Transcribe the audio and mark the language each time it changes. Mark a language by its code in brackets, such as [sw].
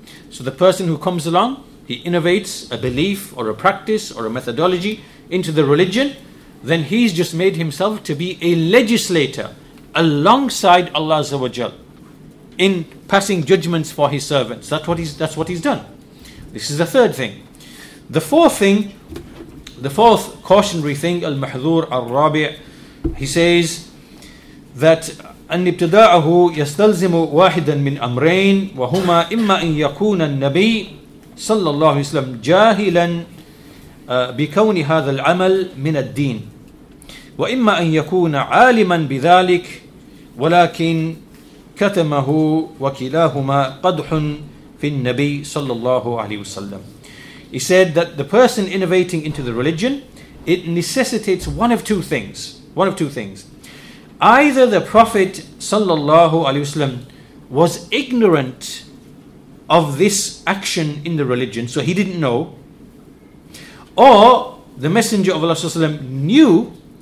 [en] So the person who comes along, he innovates a belief or a practice or a methodology into the religion, then he's just made himself to be a legislator alongside Allah Azza wa Jal in passing judgments for his servants. That's what he's done. This is the third thing. The fourth thing, the fourth cautionary thing, al-mahdhur al-rabi', he says that [ar] الابتداءه يستلزم واحدا من أمرين وهما إما أن يكون النبي صلى الله عليه وسلم جاهلا بكون هذا العمل من الدين وإما أن يكون عالما بذلك ولكن كتمه وكلاهما قدح في النبي صلى الله عليه وسلم. [en] He said that the person innovating into the religion, it necessitates one of two things. Either the Prophet sallallahu alaihi wasallam was ignorant of this action in the religion, so he didn't know, or the Messenger of Allah sallallahu alaihi wasallam knew.